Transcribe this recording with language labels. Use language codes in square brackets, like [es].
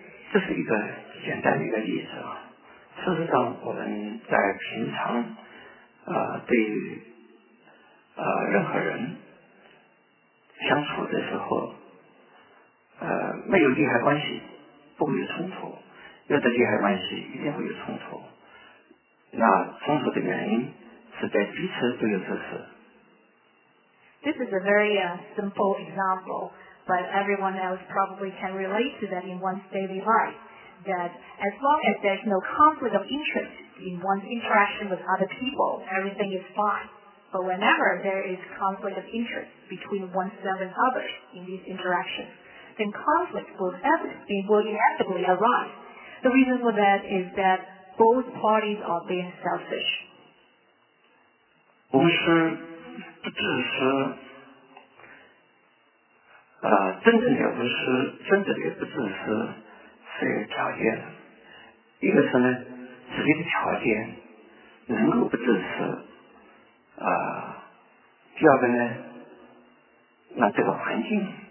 [zh] 这是一个简单的一个例子。事实上我们在平常对任何人相处的时候没有利害关系。不会有冲突，有的利害关系一定会有冲突。那冲突的原因是在彼此都有自私。 [en] This is a very simple example, but everyone else probably can relate to that in one's daily life. That as long as there's no conflict of interest in one's interaction with other people, everything is fine. But whenever there is conflict of interest between oneself and others in these interactions. Then conflict will inevitably arise. The reason for that is that both parties are being selfish. [zh] 无私不自私，真正的无私，真正的不自私是一个条件。一个是呢，自己的条件能够不自私，第二个呢，那这个环境。